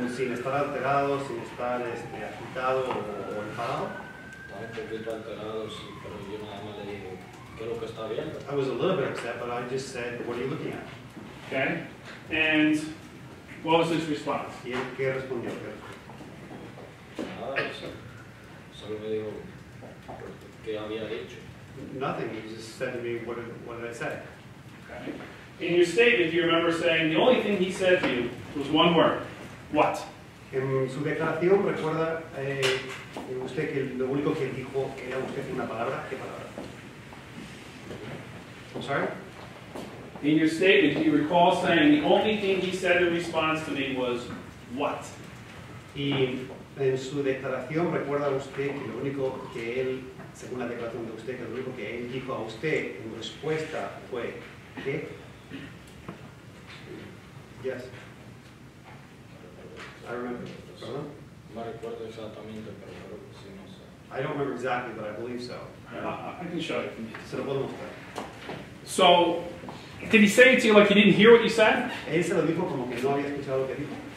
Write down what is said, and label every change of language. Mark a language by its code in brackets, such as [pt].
[es] Sin estar alterado, sin estar agitado o enfadado. Estaba un poquito alterado, pero yo nada más le digo, ¿qué es lo que está viendo? [en] I was a little bit upset, but I just said, what are you looking at? Okay. And what was his response? [es] ¿Y él qué respondió? Nada, solo me dijo, ¿qué había dicho? [en] Nothing. He just said to me, what did I say? Okay. In your statement, you remember saying, the only thing he said to you was one word. What? [es] En su declaración, recuerda usted que lo único que dijo era usted una palabra. ¿Qué palabra? [en] I'm sorry? In your statement, do you recall saying the only thing he said in response to me was what? Y en su declaración, ¿recuerda usted que lo único que él, según la declaración de usted, que lo único que él dijo a usted en respuesta fue qué? Yes. I remember. [es] Recuerdo exactamente, pero creo que sí, no sé. [en] I don't remember exactly, but I believe so. I can show it. [es] Se lo puedo mostrar. [en] So, did he say it to you like he didn't hear what you said? [es] Él se lo dijo como que no había escuchado lo que dijo.